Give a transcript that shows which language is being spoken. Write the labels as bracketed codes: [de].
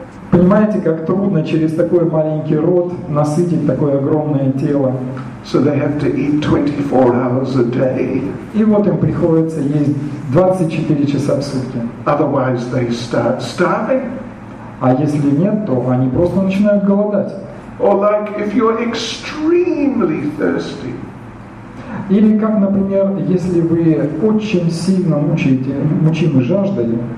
[ru] Понимаете, как трудно через такой маленький рот насытить такое огромное тело. [en] So they have to eat 24 hours a day. [ru] И вот им приходится есть 24 часа в сутки. [en] Otherwise they start starving. [ru] А если нет, то они просто начинают голодать. [en] Or like if you're extremely thirsty. [ru] Или как, например, если вы очень сильно мучимы жаждой.